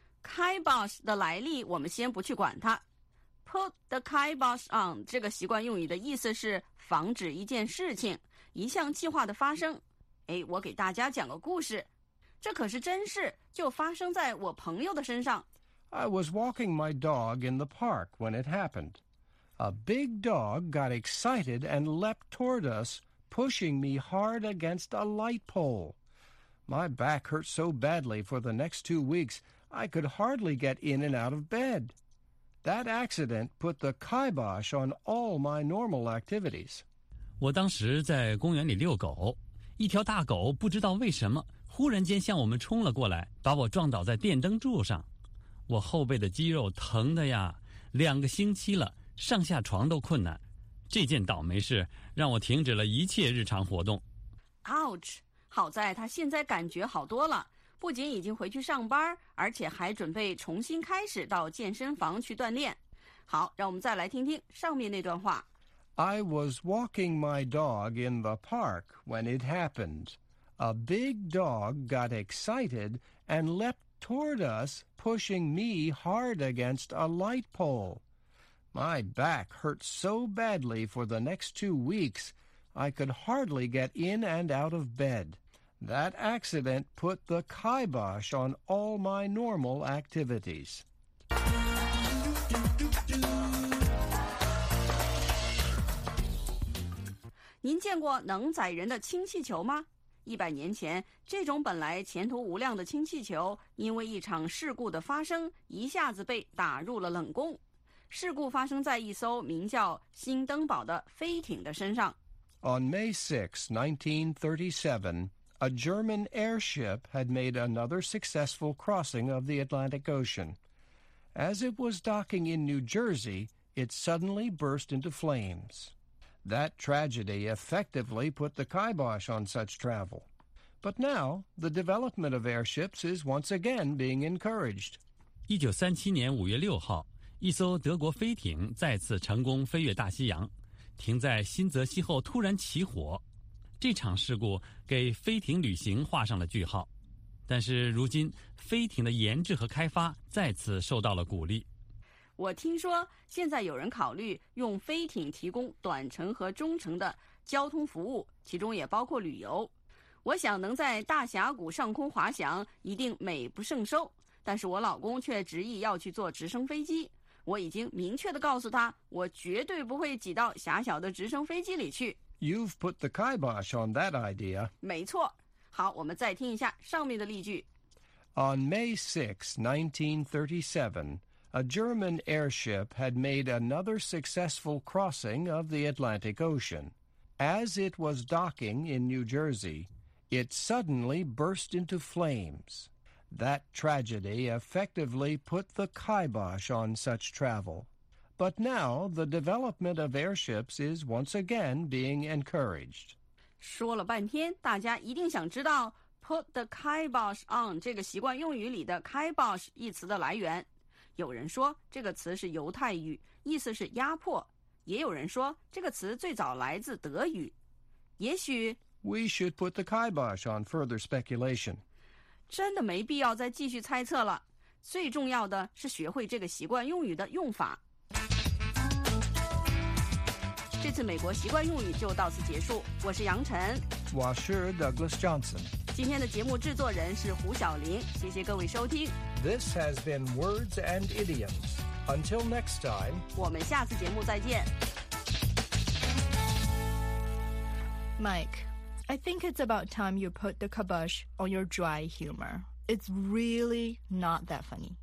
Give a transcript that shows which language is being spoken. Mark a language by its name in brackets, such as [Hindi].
[Chinese] Kibosh 的来历我们先不去管它。 [English] Put the kibosh on [Chinese] 这个习惯用语的意思是防止一件事情、一项计划的发生。哎，我给大家讲个故事，这可是真事，就发生在我朋友的身上。 [English] I was walking my dog in the park when it happened. A big dog got excited and leapt toward us, pushing me hard against a light pole. My back hurt so badly for the next 2 weeks, I could hardly get in and out of bed. That accident put the kibosh on all my normal activities. [Chinese] 我当时在公园里遛狗，一条大狗不知道为什么忽然间向我们冲了过来，把我撞倒在电灯柱上。我后背的肌肉疼的呀，两个星期了，上下床都困难。这件倒霉事让我停止了一切日常活动。 [English] Ouch！ [Chinese] 好在他现在感觉好多了，不仅已经回去上班，而且还准备重新开始到健身房去锻炼。好，让我们再来听听上面那段话。 [English] I was walking my dog in the park when it happened. A big dog got excited and leapt toward us, pushing me hard against a light pole. My back hurt so badly for the next 2 weeks, I could hardly get in and out of bed. That accident put the kibosh on all my normal activities. [Chinese] 您见过能载人的氢气球吗？100年前，这种本来前途无量的氢气球，因为一场事故的发生，一下子被打入了冷宫。事故发生在一艘名叫“新登堡”的飞艇的身上。 [English] On May 6, 1937, a German airship had made another successful crossing of the Atlantic Ocean. As it was docking in New Jersey, it suddenly burst into flames. That tragedy effectively put the kibosh on such travel. But now, the development of airships is once again being encouraged. [Chinese] 1937年5月6号，一艘德国飞艇再次成功飞越大西洋，停在新泽西后突然起火。这场事故给飞艇旅行画上了句号。但是如今，飞艇的研制和开发再次受到了鼓励。我听说现在有人考虑用飞艇提供短程和中程的交通服务，其中也包括旅游。我想能在大峡谷上空滑翔一定美不胜收，但是我老公却执意要去坐直升飞机。我已经明确地告诉他，我绝对不会挤到狭小的直升飞机里去。 [English] You've put the kibosh on that idea. [Chinese] 没错。好，我们再听一下上面的例句。 [English] On May 6, 1937,A German airship had made another successful crossing of the Atlantic Ocean. As it was docking in New Jersey, it suddenly burst into flames. That tragedy effectively put the kibosh on such travel. But now the development of airships is once again being encouraged. [Chinese] 说了半天，大家一定想知道 [English] put the kibosh on [Chinese] 这个习惯用语里的 kibosh 一词的来源。有人说这个词是犹太语，意思是压迫，也有人说这个词最早来自德语。也许 [English] We should put the kibosh on further speculation. [Chinese] 真的没必要再继续猜测了，最重要的是学会这个习惯用语的用法。这次美国习惯用语就到此结束，我是杨晨，我是 Douglas Johnson。今天的节目制作人是胡晓林，谢谢各位收听。 [English] This has been Words and Idioms. Until next time, [Chinese] 我们下次节目再见。 [English] Mike, I think it's about time you put the kibosh on your dry humor. It's really not that funny.